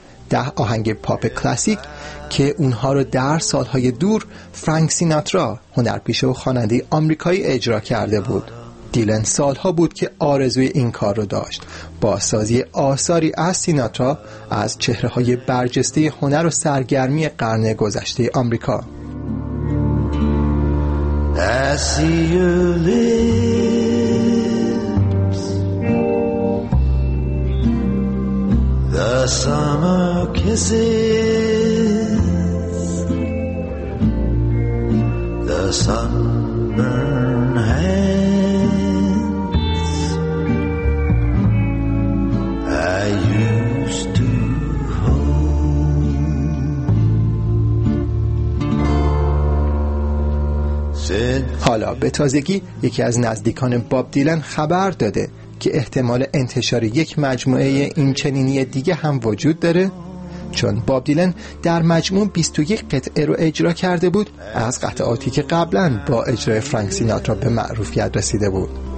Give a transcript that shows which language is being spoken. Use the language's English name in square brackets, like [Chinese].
[Persian] 10 آهنگ پاپ کلاسیک که اونها رو در سالهای دور فرانک سیناترا، هنرپیشه و خواننده آمریکایی، اجرا کرده بود. دیلن سالها بود که آرزوی این کار رو داشت، با سازی آثاری از سیناترا، از چهره های برجسته هنر و سرگرمی قرن گذشته آمریکا. [English] I see your The summer kisses, the sunburned hands I used to hold. [Persian] حالا به تازگی یکی از نزدیکان باب دیلن خبر داده که احتمال انتشار یک مجموعه این چنینی دیگه هم وجود داره، چون باب دیلن در مجموع 21 قطعه رو اجرا کرده بود از قطعاتی که قبلاً با اجرای فرانک سیناترا به معروفیت رسیده بود.